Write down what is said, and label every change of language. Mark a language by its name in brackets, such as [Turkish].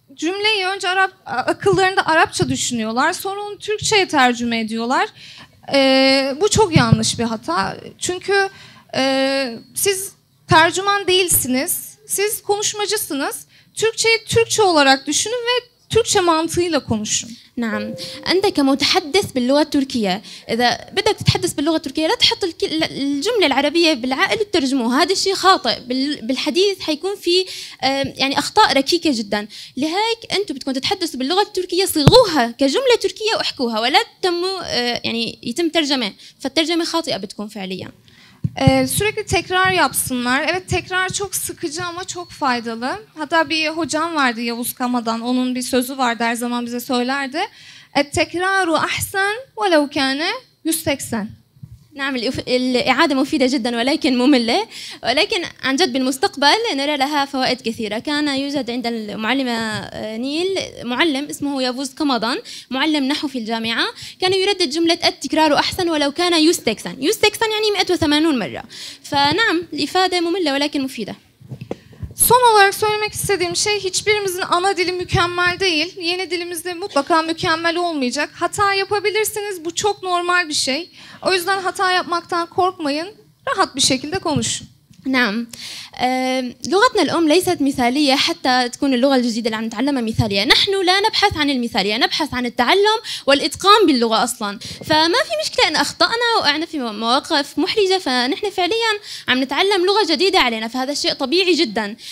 [Turkish] Cümleyi önce Arap, akıllarında Arapça düşünüyorlar, sonra onu Türkçe'ye tercüme ediyorlar. Bu çok yanlış bir hata. Çünkü siz tercüman değilsiniz, siz konuşmacısınız. Türkçe'yi Türkçe olarak düşünün ve Türkçe mantığıyla konuşun. [Arabic] نعم، أنت كمتحدث باللغة التركية إذا بدك تتحدث باللغة التركية لا تحط الجملة العربية بالعقل وترجموها، هذا الشيء خاطئ. بالحديث حيكون في يعني أخطاء ركيكة جدا، لهيك أنتوا بتكون تتحدثوا باللغة التركية صيغوها كجملة تركية وأحكوها، ولا تتموا يعني يتم ترجمة، فالترجمة خاطئة بتكون فعليا. [Turkish] Sürekli tekrar yapsınlar. Evet, tekrar çok sıkıcı ama çok faydalı. Hatta bir hocam vardı Yavuz Kama'dan, onun bir sözü vardı, her zaman bize söylerdi. [Arabic] Tekraru ahsan velau kane 180. نعم، الإعادة مفيدة جدا ولكن مملة، ولكن عن جد بالمستقبل نرى لها فوائد كثيرة. كان يوجد عند المعلمة نيل معلم اسمه يافوز كمضان، معلم نحو في الجامعة، كان يردد جملة التكرار أحسن ولو كان يستكسن، يستكسن يعني 180 مرة. فنعم، الإفادة مملة ولكن مفيدة. [Turkish] Son olarak söylemek istediğim şey, hiçbirimizin ana dili mükemmel değil. Yeni dilimizde mutlaka mükemmel olmayacak. Hata yapabilirsiniz, bu çok normal bir şey. O yüzden hata yapmaktan korkmayın, rahat bir şekilde konuşun. [Arabic] نعم، لغتنا الأم ليست مثالية حتى تكون اللغة الجديدة اللي عم نتعلمها مثالية. نحن لا نبحث عن المثالية، نبحث عن التعلم والإتقان باللغة أصلا، فما في مشكلة إن أخطأنا وقعنا في مواقف محرجة، فنحن فعليا عم نتعلم لغة جديدة علينا، فهذا الشيء طبيعي جدا.